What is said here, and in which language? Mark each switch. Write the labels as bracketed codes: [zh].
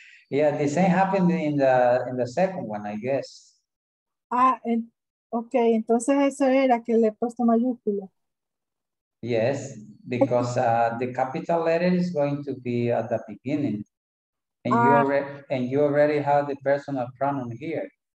[en] Yeah, the same happened in the second one, I guess. [es] Okay, entonces eso era que le he puesto mayúscula. [en] Yes, because the capital letter is going to be at the beginning. And you already have the personal pronoun here.